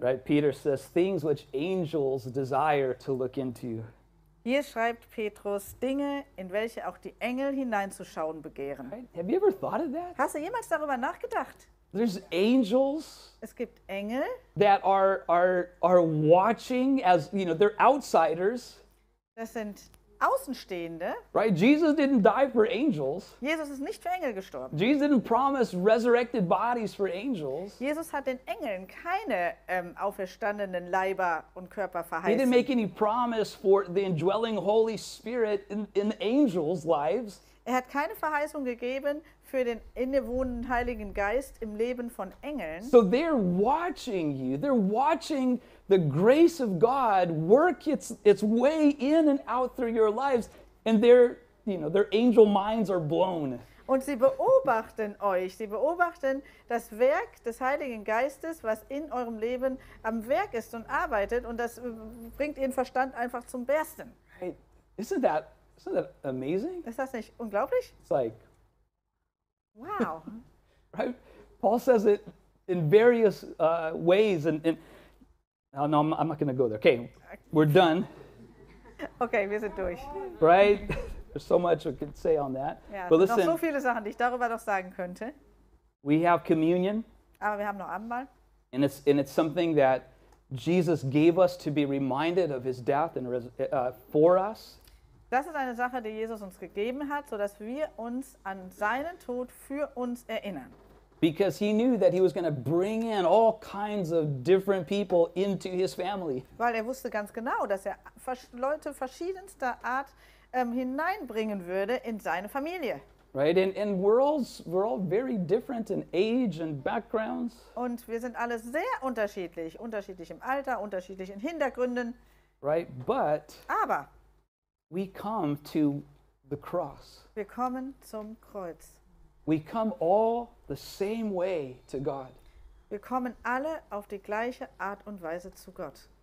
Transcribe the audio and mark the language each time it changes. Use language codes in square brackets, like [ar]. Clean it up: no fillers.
[en] Right, Peter says, things which angels desire to look into. [de] Hier schreibt Petrus Dinge, in welche auch die Engel hineinzuschauen begehren. [en] Right. Have you ever thought of that? [de] Hast du jemals darüber nachgedacht? [en] There's angels. [de] Es gibt Engel. [en] That are watching, as you know, they're outsiders. [de] Das sind Außenstehende. [en] Right, Jesus didn't die for angels. [de] Jesus ist nicht für Engel gestorben. [en] Jesus didn't promise resurrected bodies for angels. [de] Jesus hat den Engeln keine auferstandenen Leiber und Körper verheißen. [en] He didn't make any promise for the indwelling Holy Spirit in angels' lives. [de] Er hat keine Verheißung gegeben für den innewohnenden Heiligen Geist im Leben von Engeln. [en] So they're watching you. They're watching the grace of God work its way in and out through your lives, and their angel minds are blown. [de] Und sie beobachten euch. Sie beobachten das Werk des Heiligen Geistes, was in eurem Leben am Werk ist und arbeitet, und das bringt ihren Verstand einfach zum Bersten. [en] Hey, isn't that amazing? [de] Ist das nicht unglaublich? [en] It's like, wow. Right? Paul says it in various ways. No, I'm not going to go there. Okay, we're done. [de] Okay, wir sind durch. [en] Right? There's so much we could say on that. [de] Ja, [en] but listen, [de] noch so viele Sachen, die ich darüber noch sagen könnte. [en] We have communion. [de] Aber wir haben noch Abendmahl. [en] And it's something that Jesus gave us to be reminded of his death and for us. [de] Das ist eine Sache, die Jesus uns gegeben hat, sodass wir uns an seinen Tod für uns erinnern. [en] Because he knew that he was going to bring in all kinds of different people into his family. [de] Weil er wusste ganz genau, dass er Leute verschiedenster Art hineinbringen würde in seine Familie. [en] Right, and we're all very different in age and backgrounds. [de] Und wir sind alle sehr unterschiedlich, unterschiedlich im Alter, unterschiedlich in Hintergründen. [en] Right, but [de] aber [en] we come to the cross. [de] Wir kommen zum Kreuz. [en] We come all the same way to God. [de] Wir kommen alle auf die gleiche Art und Weise zu Gott.